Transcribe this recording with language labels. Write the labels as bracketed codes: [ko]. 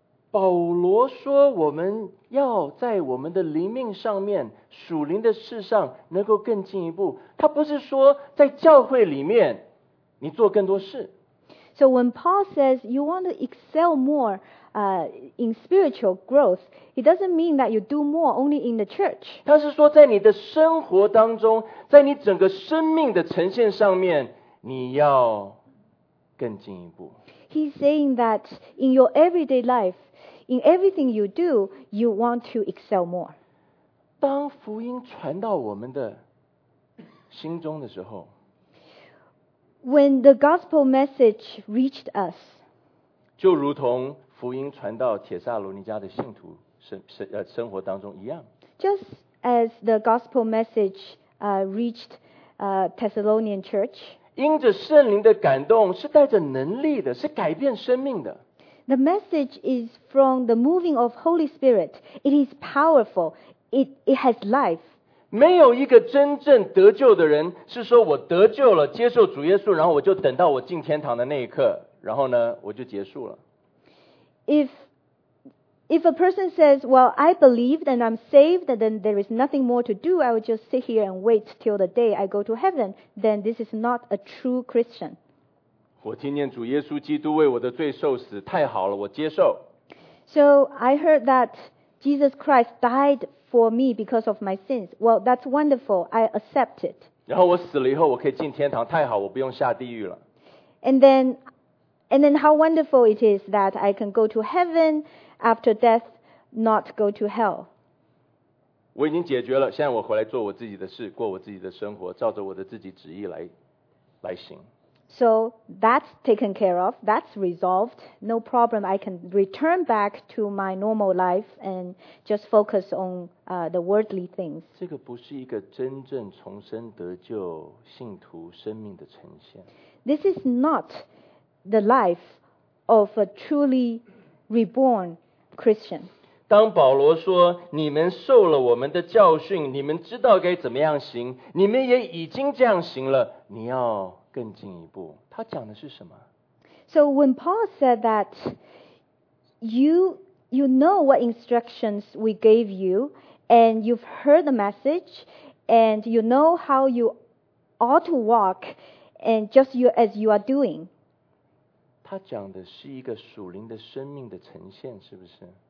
[zh] 保罗说我们要在我们的灵命上面属灵的事上能够更进一步，他不是说在教会里面你做更多事。 [en] So when Paul says you want to excel more in spiritual growth, it doesn't mean that you do more only in the church. [zh] 他是说在你的生活当中，在你整个生命的呈现上面，你要更进一步。 [en] He's saying that in your everyday life, in everything you do, you want to excel more. [zh] 当福音传到我们的心中的时候， [en] When the gospel message reached us, [zh] 就如同福音传到帖撒罗尼迦的信徒生活当中一样。 [en] Just as the gospel message reached Thessalonian church, [zh] 因着圣灵的感动，是带着能力的，是改变生命的。 [en] The message is from the moving of Holy Spirit. It is powerful. It has life. [zh] 没有一个真正得救的人是说我得救了，接受主耶稣，然后我就等到我进天堂的那一刻，然后呢，我就结束了。 [en] If a person says, well, I believed and I'm saved, then there is nothing more to do. I will just sit here and wait till the day I go to heaven. Then this is not a true Christian. [zh] 我听见主耶稣基督为我的罪受死，太好了，我接受。 [en] So I heard that Jesus Christ died for me because of my sins. Well, that's wonderful. I accept it. [zh] 然后我死了以后，我可以进天堂，太好，我不用下地狱了。 [en] And then how wonderful it is that I can go to heaven after death, not go to hell. [zh] 我已经解决了，现在我回来做我自己的事，过我自己的生活，照着我的自己旨意来行。 [en] So that's taken care of, that's resolved, no problem. I can return back to my normal life and just focus on the worldly things. [zh] 这个不是一个真正重生得救信徒生命的呈现。 [en] This is not the life of a truly reborn Christian. [zh] 当保罗说，你们受了我们的教训，你们知道该怎么样行，你们也已经这样行了，你要更进一步。他讲的是什么？ [en] So when Paul said that you know what instructions we gave you, and you've heard the message, and you know how you ought to walk, and just you as you are doing. [zh] 他讲的是一个属灵的生命的呈现，是不是？